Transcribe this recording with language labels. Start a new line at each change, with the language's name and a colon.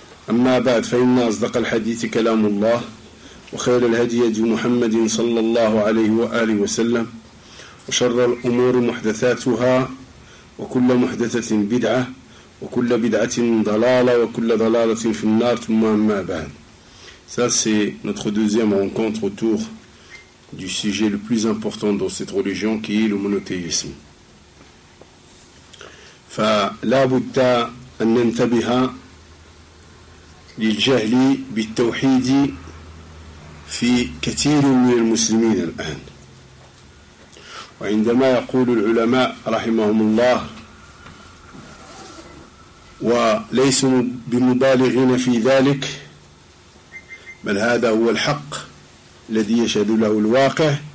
Arabic: أما بعد، فإن أصدق الحديث كلام الله، وخير الهدي هدي محمد صلى الله عليه وآله وسلم، وشر الأمور محدثاتها، وكل محدثة بدعة، وكل بدعة ضلالة، وكل ضلالة في النار، ثم أما بعد.
French: Ça c'est notre deuxième rencontre autour du sujet le plus important dans cette religion, qui est le monothéisme.
Arabic: فلا بد أن ننتبه للجهل بالتوحيد في كثير من المسلمين الآن. وعندما يقول العلماء رحمهم الله وليسوا بمبالغين في ذلك، بل هذا هو الحق الذي يشهد له الواقع،